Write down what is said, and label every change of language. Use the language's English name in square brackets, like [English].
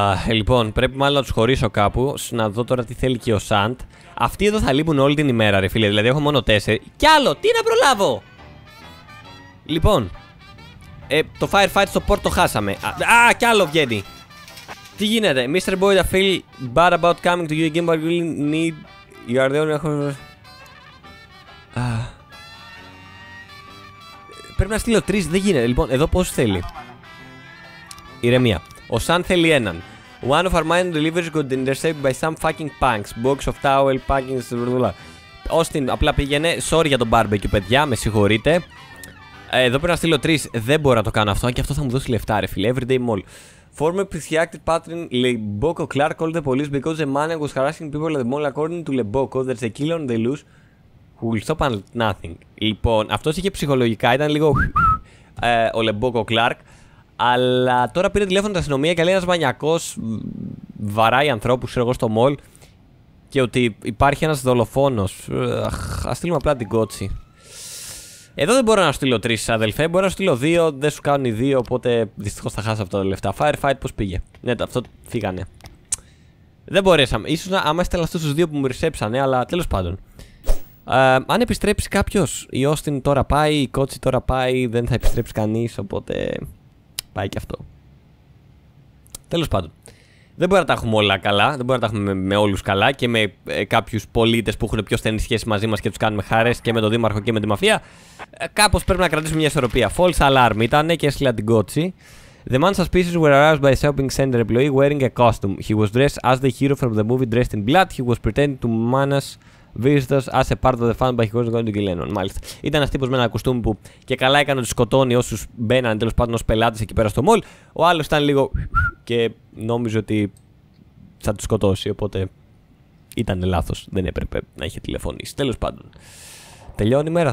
[Greek] Λοιπόν, πρέπει μάλλον να τους χωρίσω κάπου. Να δω τώρα τι θέλει και ο Σαντ. Αυτοί εδώ θα λείπουν όλη την ημέρα, ρε φίλε. Δηλαδή, έχω μόνο 4. Κι άλλο, τι να προλάβω. Λοιπόν, το firefight στο port το χάσαμε. Κι άλλο βγαίνει. Τι γίνεται, Mr. [English] Boyd, I feel bad about coming to you again, but you really need. You are the only. [Greek] Πρέπει να στείλω 3, δεν γίνεται. Λοιπόν, εδώ πώς θέλει. Ηρεμία. Ο Σαν θέλει έναν. [English] One of our minor deliveries got intercepted by some fucking punks. Box of towel, packing, blablabla. [Greek] Austin, απλά πήγαινε. Sorry για τον barbecue, παιδιά, με συγχωρείτε. Εδώ πρέπει να στείλω 3. Δεν μπορώ να το κάνω αυτό, και αυτό θα μου δώσει λεφτά, ρε φίλε. [English] Everyday mall. Former psychiatric patron Leboko Clark called the police because the man was harassing people at the mall. According to Leboko, there's a killer on the loose. Will stop at nothing. [Greek] Λοιπόν, αυτός είχε ψυχολογικά, ήταν λίγο ο Λεμπόκο Κλάρκ. Αλλά τώρα πήρε τηλέφωνο την αστυνομία και λέει ένας μανιακός βαράει ανθρώπους, ξέρω εγώ, στο μολ. Και ότι υπάρχει ένας δολοφόνος. Ας στείλουμε απλά την Κότσι. Εδώ δεν μπορώ να στείλω 3, αδελφέ. Μπορώ να στείλω 2, δεν σου κάνουν οι 2. Οπότε δυστυχώς θα χάσω αυτά τα λεφτά. Firefight, πώς πήγε? Ναι, αυτό φύγανε. Δεν μπορέσαμε. Ίσως να, άμα έστελα αυτούς τους 2 που μου ρισέψανε, αλλά τέλος πάντων. Αν επιστρέψει κάποιος, η Austin τώρα πάει, η Κότσι τώρα πάει, δεν θα επιστρέψει κανείς, οπότε πάει και αυτό. Τέλος πάντων, δεν μπορεί να τα έχουμε όλα καλά, δεν μπορεί να τα έχουμε με όλους καλά και με κάποιους πολίτες που έχουν πιο στενή σχέση μαζί μας και τους κάνουμε χαρές και με τον Δήμαρχο και με τη μαφία. Κάπως πρέπει να κρατήσουμε μια ισορροπία. [English] False alarm [Greek] ήταν και έστειλα την Κότσι. [English] The man's suspicions were aroused by a shopping center employee wearing a costume. He was dressed as the hero from the movie Dressed in Blood. He was pretending to manage. Visitors as a part of the fan by he was going to kill anyone. [Greek] Μάλιστα. Ήταν ένας τύπος με ένα κουστούμι που και καλά έκανε ότι σκοτώνει όσους μπαίνανε τέλος πάντων ως πελάτες εκεί πέρα στο mall. Ο άλλος ήταν λίγο και νόμιζε ότι θα τους σκοτώσει. Οπότε ήταν λάθος. Δεν έπρεπε να είχε τηλεφωνήσει. Τέλος πάντων. Τελειώνει η μέρα.